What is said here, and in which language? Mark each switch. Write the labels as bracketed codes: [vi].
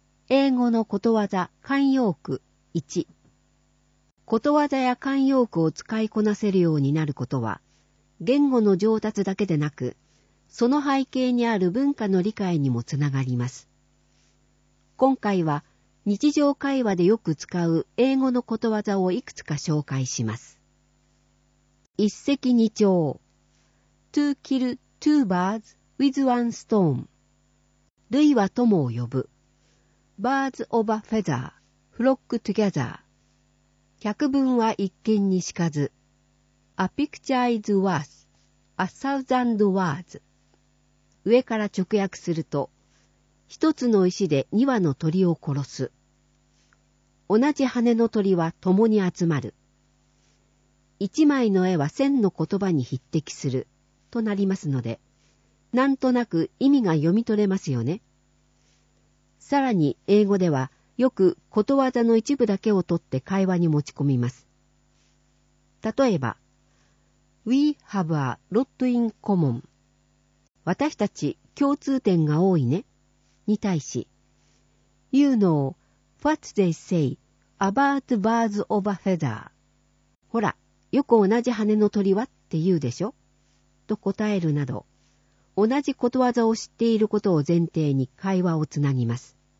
[ja] 英語のことわざ慣用句1。ことわざや慣用句を使いこなせるようになることは、言語の上達だけでなく、その背景にある文化の理解にもつながります。今回は、日常会話でよく使う英語のことわざをいくつか紹介します。一石二鳥。 [en] To kill two birds with one stone. [ja] 類は友を呼ぶ。 [en] Birds of a feather, flock together. [ja] 百聞は一見にしかず。 [en] A picture is worth a thousand words. [ja] 上から直訳すると、一つの石で二羽の鳥を殺す。同じ羽の鳥は共に集まる。一枚の絵は千の言葉に匹敵するとなりますので、なんとなく意味が読み取れますよね。さらに英語ではよくことわざの一部だけを取って会話に持ち込みます。例えば、 [en] We have a lot in common. [ja] 私たち共通点が多いね。に対し、 [en] You know what they say about birds of a feather. [ja] ほら、よく同じ羽の鳥はって言うでしょ?と答えるなど、同じことわざを知っていることを前提に会話をつなぎます。